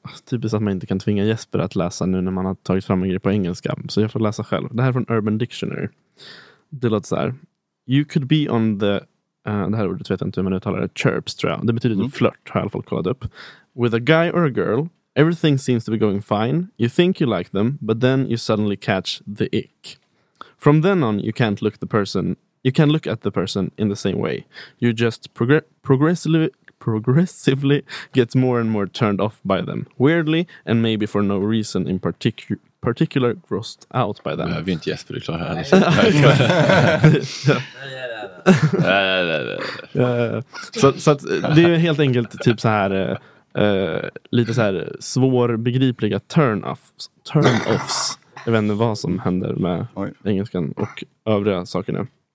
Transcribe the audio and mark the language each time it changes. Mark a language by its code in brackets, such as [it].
[sv] Typiskt att man inte kan tvinga Jesper att läsa nu när man har tagit fram en grej på engelska. Så jag får läsa själv. Det här är från Urban Dictionary. Det låter så här. [en] You could be on the... [sv] det här ordet vet jag inte hur man uttalar det. Chirps tror jag. Det betyder typ flirt har jag i alla fall kollat upp. [en] With a guy or a girl. Everything seems to be going fine. You think you like them, but then you suddenly catch the ick. From then on, you can't look at the person in the same way. You just progressively get more and more turned off by them. Weirdly, and maybe for no reason in particular, grossed out by them. [sv] Jag vet inte, Jesper, du klarar det här. Så det är helt enkelt typ så här... lite så här svårbegripliga turn-offs. Jag vet inte vad som händer med engelskan och övriga saker nu.